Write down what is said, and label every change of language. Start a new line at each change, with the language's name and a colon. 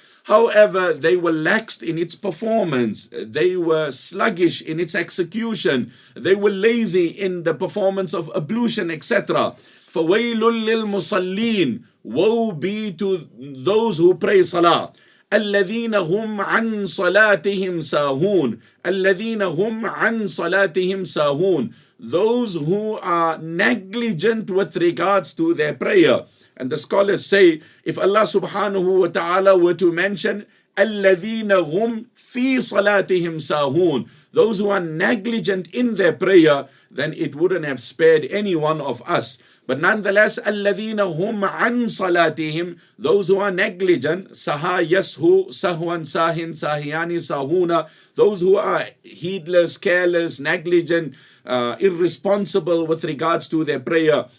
English: However, they were lax in its performance. They were sluggish in its execution. They were lazy in the performance of ablution, etc.
Arabic: فَوَيْلٌ لِلْمُصَلِّينَ
English: Woe be to those who pray salah.
Arabic: الَّذِينَ هُمْ عَنْ صَلَاتِهِمْ سَاهُونَ الَّذِينَ هُمْ عَنْ صَلَاتِهِمْ سَاهُونَ
English: Those who are negligent with regards to their prayer. And the scholars say, if Allah subhanahu wa ta'ala were to mention,
Arabic: الَّذِينَ هُمْ فِي صَلَاتِهِمْ سَاهُونَ
English: Those who are negligent in their prayer, then it wouldn't have spared any one of us. But nonetheless,
Arabic: الَّذِينَ هُمْ عَنْ صَلَاتِهِمْ
English: Those who are negligent,
Arabic: سَهَا يَسْهُ سَهْوَنْ سَاهِنْ سَاهِيَانِ سَاهُونَ
English: Those who are heedless, careless, negligent, irresponsible with regards to their prayer.